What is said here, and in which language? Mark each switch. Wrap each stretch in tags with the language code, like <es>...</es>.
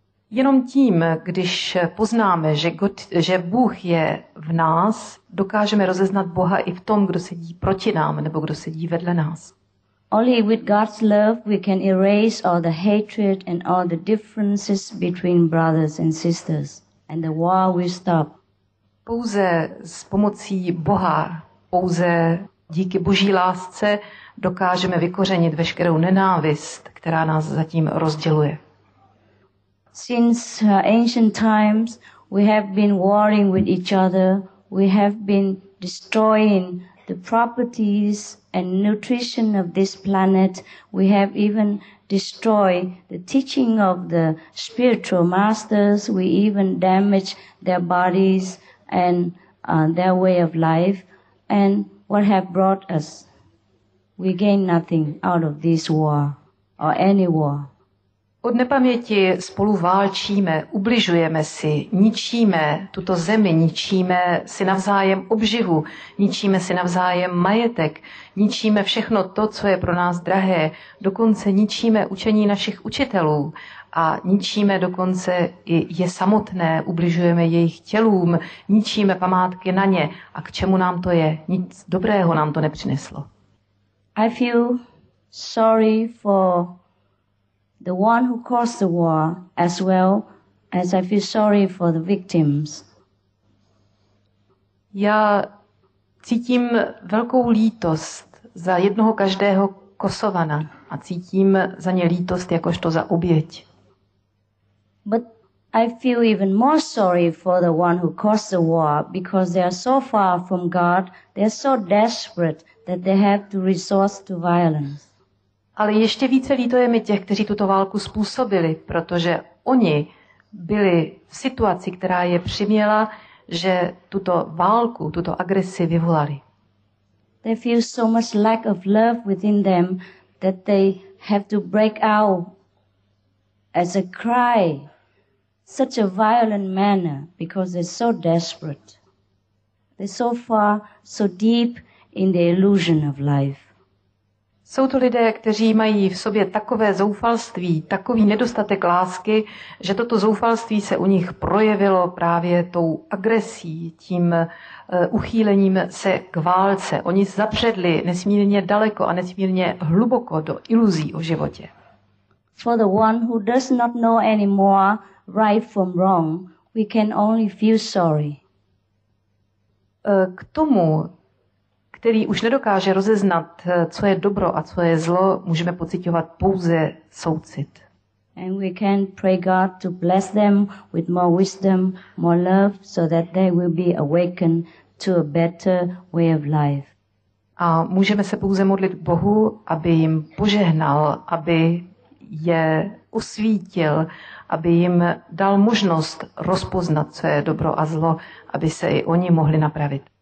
<cs>Jenom tím, když poznáme, že Bůh je v nás, dokážeme rozeznat Boha i v tom, kdo sedí proti nám nebo kdo sedí vedle nás.</cs> <en>Only with God's love we can erase all the hatred and all the differences between brothers and sisters, and the war will stop.</en> <cs>Pouze s pomocí Boha, pouze díky Boží lásce, dokážeme vykořenit veškerou nenávist, která nás zatím rozděluje.</cs> <en>Since ancient times, we have been warring with each other. We have been destroying the properties and nutrition of this planet. We have even destroyed the teaching of the spiritual masters. We even damaged their bodies and their way of life. And what have brought us? We gain nothing out of this war or any war.</en> <cs>Od nepaměti spolu válčíme, ubližujeme si, ničíme tuto zemi, ničíme si navzájem obživu, ničíme si navzájem majetek, ničíme všechno to, co je pro nás drahé, dokonce ničíme učení našich učitelů a ničíme dokonce i je samotné, ubližujeme jejich tělům, ničíme památky na ně. A k čemu nám to je? Nic dobrého nám to nepřineslo.</cs> <en>I feel sorry for the one who caused the war, as well as I feel sorry for the victims.</en> <cs>Já cítím velkou lítost za jednoho každého Kosovana a cítím za ně lítost jakožto za oběť.</cs> <en>But I feel even more sorry for the one who caused the war, because they are so far from God, they are so desperate that they have to resort to violence.</en> <cs>Ale ještě více lítujeme těch, kteří tuto válku způsobili, protože oni byli v situaci, která je přiměla, že tuto válku, tuto agresi vyvolali.</cs> <en>They feel so much lack of love within them that they have to break out as a cry, such a violent manner, because they're so desperate. They're so far, so deep in the illusion of life.</en> <cs>Jsou to lidé, kteří mají v sobě takové zoufalství, takový nedostatek lásky, že toto zoufalství se u nich projevilo právě tou agresí, tím uchýlením se k válce. Oni zapředli nesmírně daleko a nesmírně hluboko do iluzí o životě.</cs> <en>For the one who does not know anymore right from wrong, we can only feel sorry.</en> <cs>K tomu, který už nedokáže rozeznat, co je dobro a co je zlo, můžeme pociťovat pouze soucit.</cs> <en>And we can pray God to bless them with more wisdom, more love, so that they will be awakened to a better way of life.</en> <cs>A můžeme se pouze modlit Bohu, aby jim požehnal, aby je osvítil, aby jim dal možnost rozpoznat, co je dobro a zlo, aby se i oni mohli napravit.</cs>